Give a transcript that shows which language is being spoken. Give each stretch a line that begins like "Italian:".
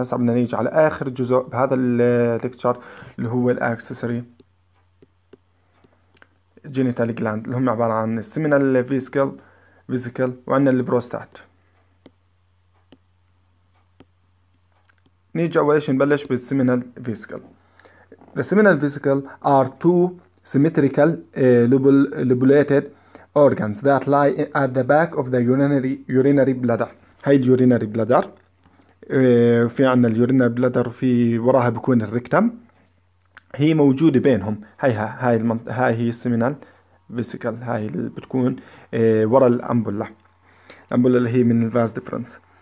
Arabic: هسا بدنا نيجي على اخر جزء بهذا الليكتشر اللي هو الاكسسوري جينيتال جلاند، اللي هم عبارة عن السيمينال فيزيكل وعندنا البروستات. نيجي اول شيء نبلش بالسيمينال فيزيكل.
English: The seminal vesicle are two symmetrical lobulated organs that lie at the back of the urinary bladder.
Arabic: هاي اليورينري بلادر، في عنا اليورينري بلادر وفي وراها بكون الريكتم. هي موجودة بينهم، هاي هي السيمينال فيسيكل، هاي اللي بتكون ورا الأمبولا. الأمبولا اللي هي من الفاز ديفرنس.